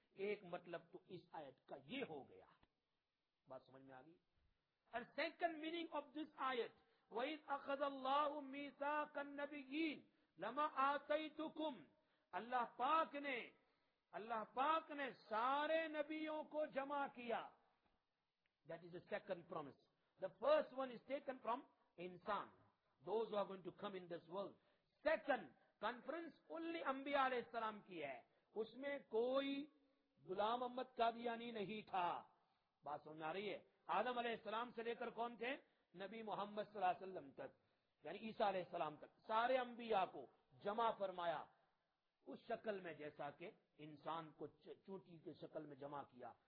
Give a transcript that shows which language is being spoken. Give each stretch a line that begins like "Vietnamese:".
Urdu: ایک مطلب تو اس آیت کا یہ ہو گیا, بات سمجھ میں آ گئی.
English: second meaning of this آیت,
Arabic: وَإِذْ أَخَذَ اللَّهُ مِيثَاقَ النَّبِيِّينَ لَمَا آتَيْتُكُمْ,
Urdu: اللہ پاک نے سارے نبیوں کو جمع کیا.
English: That is the second promise. The first one is taken from انسان, those who are going to come in this world. Second, conference only
Urdu: انبیاء علیہ السلام کی ہے, اس میں کوئی غلام احمد قادیانی نہیں تھا. بات سمجھ آ رہی ہے, آدم علیہ السلام سے لے کر کون تھے, نبی محمد صلی اللہ علیہ وسلم تک, یعنی عیسیٰ علیہ السلام تک, سارے انبیاء کو جمع فرمایا اس شکل میں جیسا کہ انسان کو چوٹی کی شکل میں جمع کیا.